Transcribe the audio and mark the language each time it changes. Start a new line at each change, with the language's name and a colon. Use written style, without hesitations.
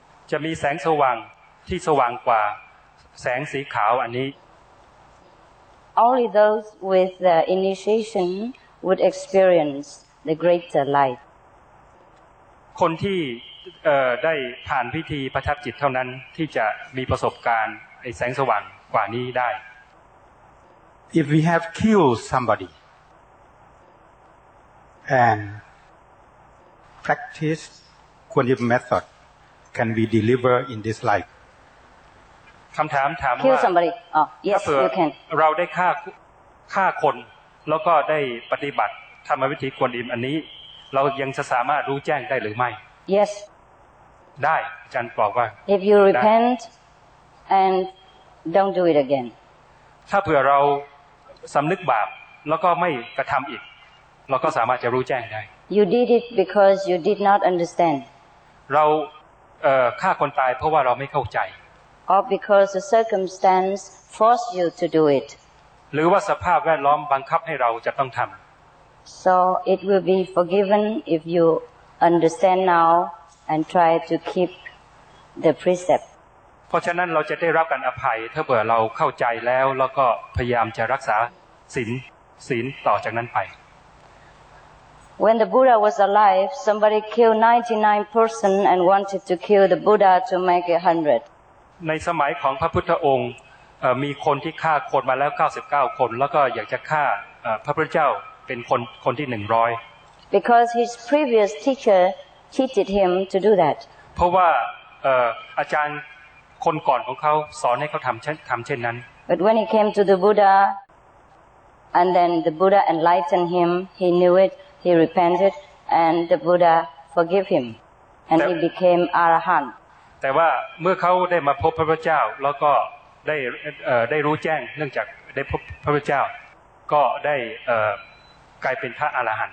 Thai: จะมีแสงสว่างที่สว่างกว่าแสงสีขาวอันนี้
English: Only those with the initiation would experience the greater light.
Thai: คนที่ได้ผ่านพิธีประทับจิตเท่านั้นที่จะมีประสบการณ์ไอ้แสงสว่างกว่านี้ได้
English: If we have killed somebody and practice quantum method, can we deliver in this life?
Thai: คำถามถามว่า
English: Kill somebody. Oh, yes, you can.
Thai: เราได้ฆ่าคนแล้วก็ได้ปฏิบัติธรรมวิธีกวนอิมอันนี้เรายังจะสามารถรู้แจ้งได้หรือไม่
English: Yes.
Thai: ได้อาจารย์บอกว่า
English: If you repent and don't do it again.
Thai: ถ้าเผื่อเราสำนึกบาปแล้วก็ไม่กระทำอีกเราก็สามารถจะรู้แจ้งได้
English: You did it because you did not understand.
Thai: เราฆ่าคนตายเพราะว่าเราไม่เข้าใจ
English: Or because the circumstance forced you to do it.
Thai: หรือว่าสภาพแวดล้อมบังคับให้เราจะต้องทำ
English: So it will be forgiven if you understand now and try to keep the precept.
Thai: เพราะฉะนั้นเราจะได้รับการอภัยถ้าเผื่อเราเข้าใจแล้วแล้วก็พยายามจะรักษาศีลต่อจากนั้นไป
English: When the Buddha was alive, somebody killed 99 person and wanted to kill the Buddha to make 100.
Thai: ในสมัยของพระพุทธองค์มีคนที่ฆ่าคนมาแล้ว99คนแล้วก็อยากจะฆ่าพระพุทธเจ้าเป็นคนที่100
English: Because his previous teacher cheated him to do that
Thai: เพราะว่าอาจารย์คนก่อนของเขาสอนให้เขาทำเช่นนั้น
English: But when he came to the Buddha and then the Buddha enlightened him he knew it he repented and the Buddha forgave him and he became arahant
Thai: แต่ว่าเมื่อเขาได้มาพบพระพุทธเจ้าแล้วก็ได้รู้แจ้งเนื่องจากได้พบพระพุทธเจ้าก็ได้กลายเป็นพระอรหันต